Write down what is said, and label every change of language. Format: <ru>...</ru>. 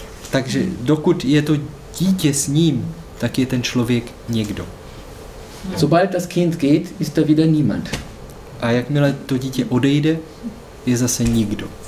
<cs>Takže dokud je to dítě s ním, tak je ten člověk někdo.</cs> <de>Sobald das Kind geht, ist da wieder niemand.</de> <cs>A jakmile to dítě odejde, je zase nikdo.</cs>